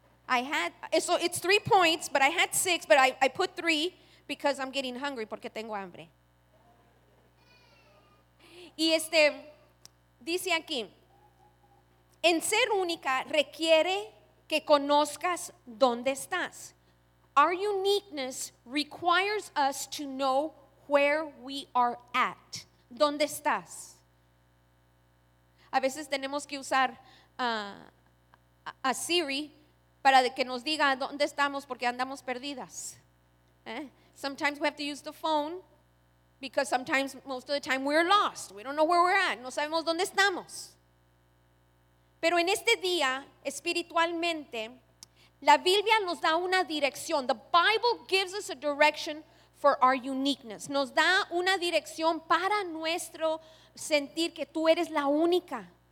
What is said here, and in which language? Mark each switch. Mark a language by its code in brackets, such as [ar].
[en] It's 3 points, but I had 6, but I put 3 because I'm getting hungry, [es] porque tengo hambre. Y dice aquí, en ser única requiere que conozcas dónde estás. [en] Our uniqueness requires us to know where we are at. [es] ¿Dónde estás? A veces tenemos que usar a Siri para que nos diga dónde estamos porque andamos perdidas. [en] Sometimes we have to use the phone because sometimes, most of the time, we're lost. We don't know where we're at. [es] No sabemos dónde estamos. Pero en este día, espiritualmente, la Biblia nos da una dirección. [en] The Bible gives us a direction for our uniqueness. [es] Nos da una dirección para nuestro sentir que tú eres la única.